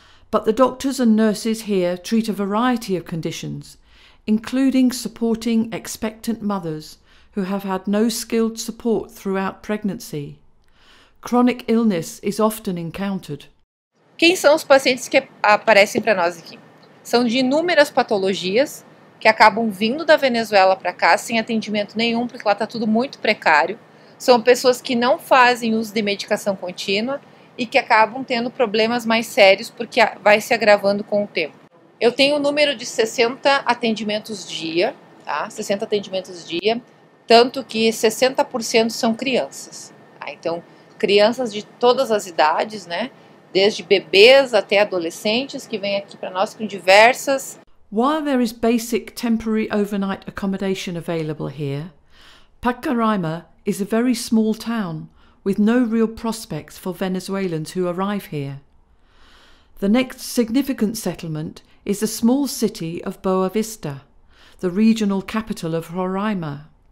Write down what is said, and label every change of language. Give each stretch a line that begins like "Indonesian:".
English: But the doctors and nurses here treat a variety of conditions, including supporting expectant mothers who have had no skilled support throughout pregnancy. Chronic illness is often encountered.
Portuguese: Quem são os pacientes que aparecem para nós aqui? São de inúmeras patologias que acabam vindo da Venezuela para cá sem atendimento nenhum, porque lá está tudo muito precário. São pessoas que não fazem uso de medicação contínua e que acabam tendo problemas mais sérios porque vai se agravando com o tempo. Eu tenho um número de 60 atendimentos dia, tá? 60 atendimentos dia, tanto que 60% são crianças. Tá? Então, crianças de todas as idades, né? Desde bebês até adolescentes que vêm aqui para nós com diversas.
English: While there is basic temporary overnight accommodation available here, Pacaraima is a very small town with no real prospects for Venezuelans who arrive here. The next significant settlement is the small city of Boa Vista, the regional capital of Roraima.